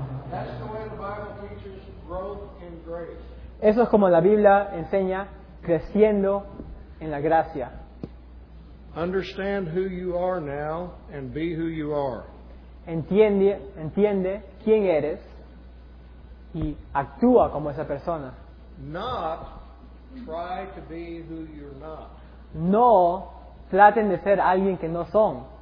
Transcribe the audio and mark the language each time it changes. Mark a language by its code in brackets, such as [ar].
[en] That's the way the Bible teaches growth in grace. [es] Eso es como la Biblia enseña creciendo en la gracia. [en] Understand who you are now and be who you are. [es] Entiende quién eres y actúa como esa persona. [en] Not try to be who you're not. [es] No traten de ser alguien que no son.